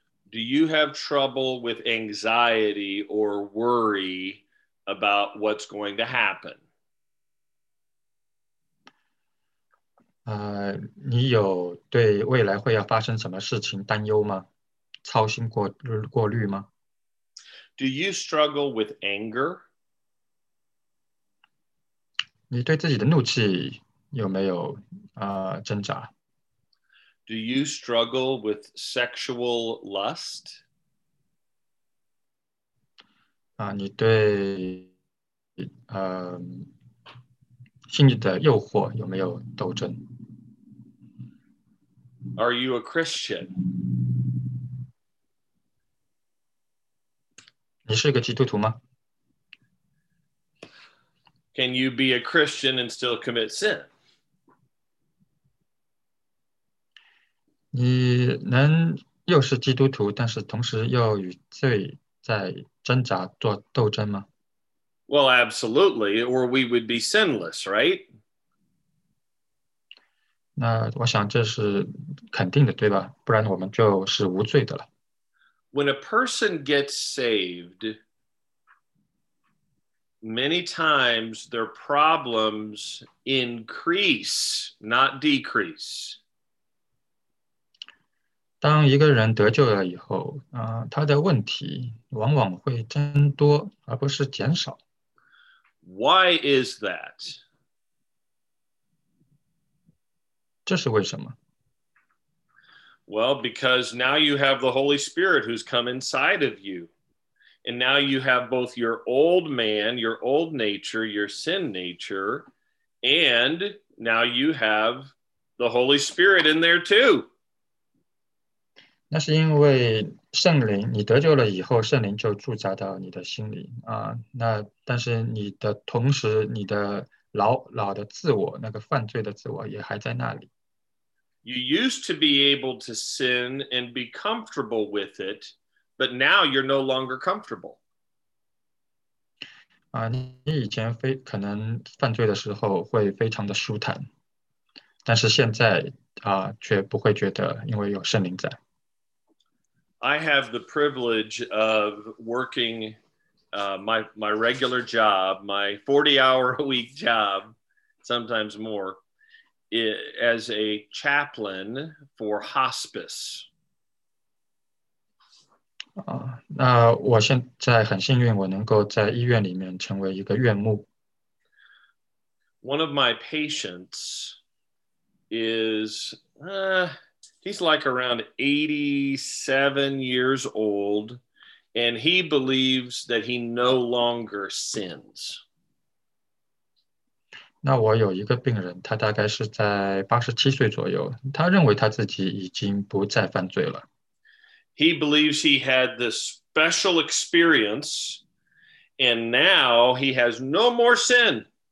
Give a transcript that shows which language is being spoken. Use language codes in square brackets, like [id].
[en] Do you have trouble with anxiety or worry about what's going to happen? [zh] 你有对未来会要发生什么事情担忧吗？操心过虑吗？ [en] Do you struggle with anger? [zh] 你对自己的怒气有没有挣扎？ [en] Do you struggle with sexual lust? [zh] 你对性的诱惑有没有斗争？ [en] Are you a Christian? [zh] 你是个基督徒吗？ [en] Can you be a Christian and still commit sin? [zh] 你能又是基督徒，但是同时又与罪在挣扎做斗争吗？ [en] Well, absolutely, or we would be sinless, right? [zh] 那我想这是肯定的，对吧？不然我们就是无罪的了。 [en] When a person gets saved, many times their problems increase, not decrease. [zh] 当一个人得救了以后，他的问题往往会增多，而不是减少。 [en] Why is that? [zh] 这是为什么？ [en] Well, because now you have the Holy Spirit who's come inside of you. And now you have both your old man, your old nature, your sin nature, and now you have the Holy Spirit in there too. [zh] 那是因为圣灵，你得救了以后，圣灵就驻扎到你的心里啊。那但是你的同时，你的老的自我，那个犯罪的自我也还在那里。 [en] You used to be able to sin and be comfortable with it, but now you're no longer comfortable. [zh] 你以前可能犯罪的时候会非常的舒坦，但是现在却不会觉得，因为有圣灵在。 [en] I have the privilege of working my regular job, my 40-hour a week job, sometimes more, as a chaplain for hospice. [zh] 那我现在很幸运，我能够在医院里面成为一个院牧。 [en] One of my patients is... He's like around 87 years old, and he believes that he no longer sins. [zh] 那我有一个病人，他大概是在87岁左右，他认为他自己已经不再犯罪了。 [en] He believes he had this special experience, and now he has no more sin.